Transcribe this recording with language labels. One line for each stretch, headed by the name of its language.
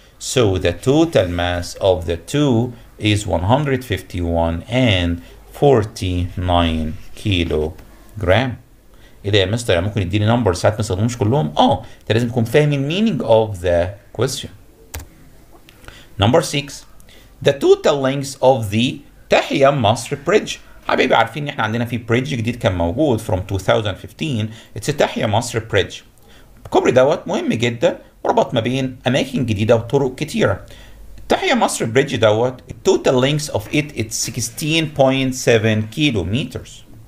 English: So the total mass of the 2 is 151 and 49 kilogram.
Arabic: إيه ده يا مستر؟ ممكن يديني نمبر ساعات ما استخدمهمش كلهم؟ آه، أنت لازم تكون فاهم
English: المينينج of the question. Number 6، the total length of the تحيا مصر bridge.
Arabic: حبيبي عارفين إن إحنا عندنا في bridge جديد كان موجود
English: from 2015،
Arabic: it's a تحيا مصر bridge. الكوبري دوت مهم جدا وربط ما بين أماكن جديدة وطرق كتيرة.
English: تحيا مصر bridge
Arabic: دوت
English: total length of it it's 16.7 kilometres.